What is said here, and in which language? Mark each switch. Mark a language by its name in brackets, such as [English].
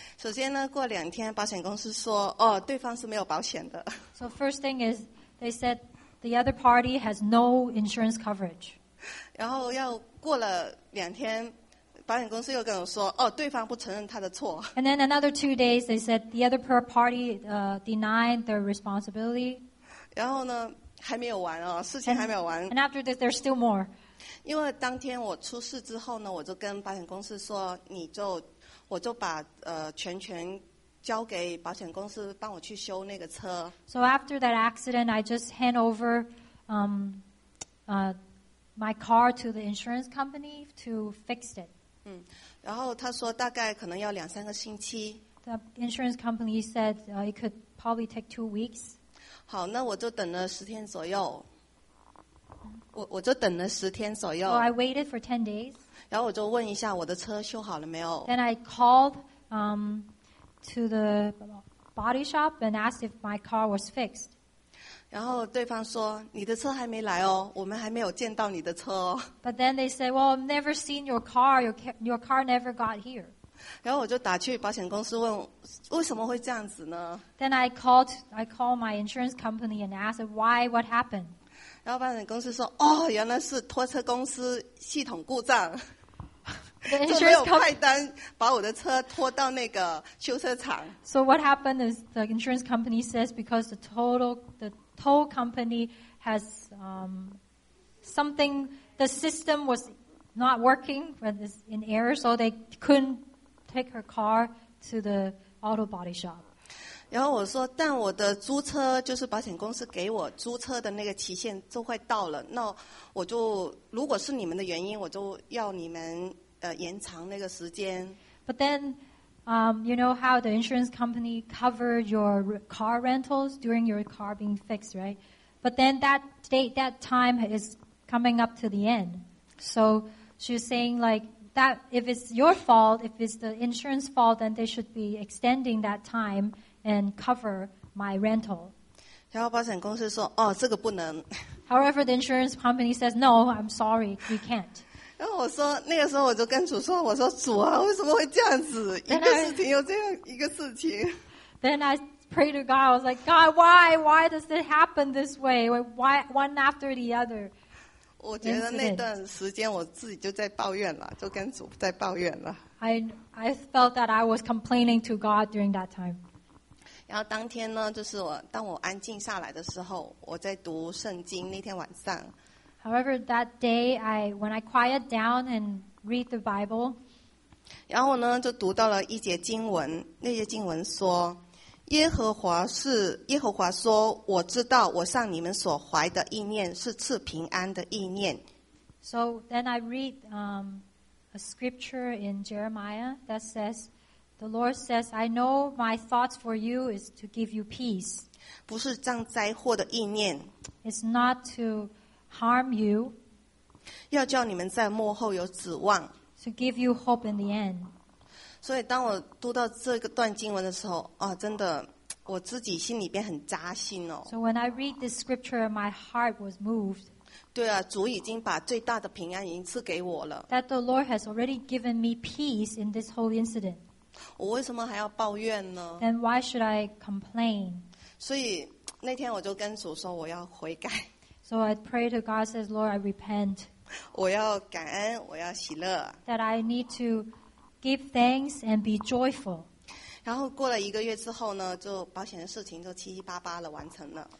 [Chinese] 首先呢，过两天保险公司说，哦，对方是没有保险的。 [English] So first thing is they said the other party has no insurance coverage. [Chinese] 然后要过了两天。保险公司又跟我说，哦，对方不承认他的错。 [English] And then another two days, they said the other party denied their responsibility. [Chinese] 然后呢，还没有完哦，事情还没有完。 [English] And after this, there's still more. [Chinese] 因为当天我出事之后呢，我就跟保险公司说，我就把全权交给保险公司帮我去修那个车。 [English] So after that accident, I just hand over, my car to the insurance company to fix it. [Chinese] 然后他说大概可能要两三个星期。 [English] The insurance company said it could probably take 2 weeks. [Chinese] 好，那我就等了十天左右。我就等了十天左右。 [English] So I waited for 10 days. [Chinese] 然后我就问一下我的车修好了没有。 [English] Then I called to the body shop and asked if my car was fixed. [Chinese] 然后对方说你的车还没来哦，我们还没有见到你的车哦。 [English] But then they say, well, I've never seen your car. Your car never got here. [Chinese] 然后我就打去保险公司问为什么会这样子呢。 [English] Then I called my insurance company and asked why, what happened. [Chinese] 然后保险公司说，哦，原来是拖车公司系统故障。 [English] The insurance company [Chinese] 就没有派单把我的车拖到那个修车厂。 [English] So what happened is the insurance company says because the tow company has something, the system was not working, but it's in error, so they couldn't take her car to the auto body shop. [Chinese] 然后我说，但我的租车就是保险公司给我租车的那个期限就快到了，那我就如果是你们的原因，我就要你们延长那个时间。 [English] But then, you know how the insurance company covered your car rentals during your car being fixed, right? But then that date, that time is coming up to the end. So she's saying like that if it's your fault, if it's the insurance fault, then they should be extending that time and cover my rental. [Chinese] 然后保险公司说，哦，这个不能。 [English] However, the insurance company says, no, I'm sorry, we can't. [Chinese] 然后我说，那个时候我就跟主说，我说主啊，为什么会这样子？一个事情又这样一个事情。 [English] Then I prayed to God. I was like, God, why? Why does it happen this way? Why one after the other? [Chinese] 我觉得那段时间我自己就在抱怨了，就跟主在抱怨了。 [English] I felt that I was complaining to God during that time. [Chinese] 然后当天呢，就是当我安静下来的时候，我在读圣经。那天晚上。 [English] However, that day, when I quiet down and read the Bible, [Chinese] 然后呢，就读到了一节经文。那节经文说，耶和华说，我知道我向你们所怀的意念是赐平安的意念。 [English] So then I read a scripture in Jeremiah that says, the Lord says, I know my thoughts for you is to give you peace. [Chinese] 不是降灾祸的意念。 [English] It's not to... harm you, [Chinese] 要叫你们在末后有指望。 [English] To give you hope in the end. [Chinese] 所以当我读到这个段经文的时候，啊，真的，我自己心里边很扎心哦。 [English] So when I read this scripture, my heart was moved. [Chinese] 对啊，主已经把最大的平安已经赐给我了。 [English] That the Lord has already given me peace in this whole incident. [Chinese] 我为什么还要抱怨呢？ [English] Then why should I complain? [Chinese] 所以那天我就跟主说，我要悔改。 [English] So I pray to God, says, Lord, I repent. [Chinese] 我要感恩，我要喜乐。 [English] That I need to give thanks and be joyful. [Chinese] 然后过了一个月之后呢，就保险的事情就七七八八的完成了。